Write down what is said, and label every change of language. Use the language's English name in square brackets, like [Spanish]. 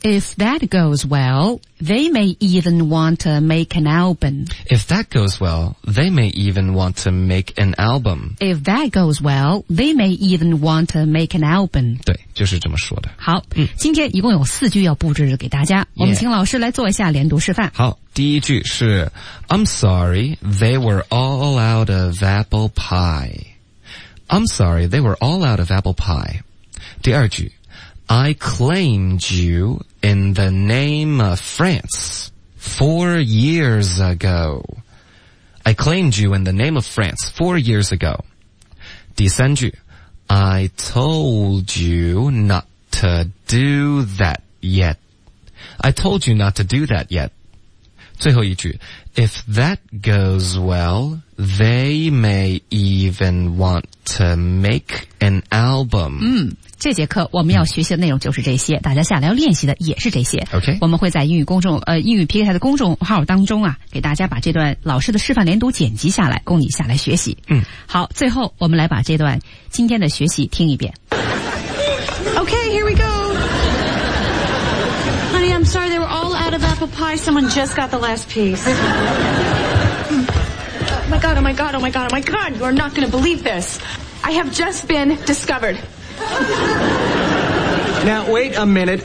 [English] If that goes well, they may even want to make an album. If that goes well, they may even want to make an album. If that goes well, they may even want to make an album. [Chinese] 对，就是这么说的。好，今天一共有四句要布置给大家，我们请老师来做一下连读示范。好，第一句是 [English] I'm sorry, they were all out of apple pie. I'm sorry, they were all out of apple pie. [Chinese] 第二句 [English] I claimed you in the name of France 4 years ago. I claimed you in the name of France 4 years ago. [Chinese] 第三句 [English] I told you not to do that yet. I told you not to do that yet. [Chinese] 最后一句 [English] If that goes well, they may even want to make an album. [Chinese] 这节课我们要学习的内容就是这些，大家下来要练习的也是这些。 OK，我们会在英语公众英语 PK 台的公众号当中啊，给大家把这段老师的示范连读剪辑下来，供你下来学习。好，最后我们来把这段今天的学习听一遍。 [English] OK， here we go. Honey, I'm sorry they were all out of apple pie. Someone just got the last piece. Oh my god! You are not going to believe this. I have just been discovered. Now, wait a minute.